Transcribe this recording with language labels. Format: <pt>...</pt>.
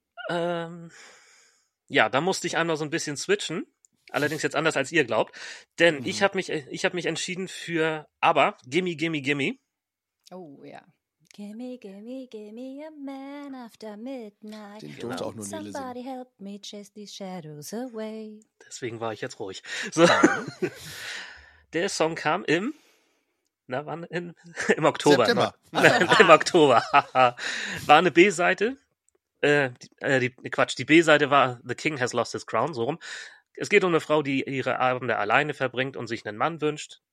<de>Ja, da musste ich einmal so ein bisschen switchen. Allerdings jetzt anders, als ihr glaubt. Denn ich hab mich entschieden für Aber, Gimme, Gimme, Gimme.</de> <en>Oh, ja. Gimme, gimme, gimme a man after midnight.</en> <de>Den durfte auch nur Nele singen.</de> <en>Somebody help me chase these shadows away.</en> <de>Deswegen war ich jetzt ruhig. So. Der Song kam im... Na, wann? Im Oktober. September. Im Oktober. War eine B-Seite. Die B-Seite war The King Has Lost His Crown, so rum. Es geht um eine Frau, die ihre Abende alleine verbringt und sich einen Mann wünscht.</de>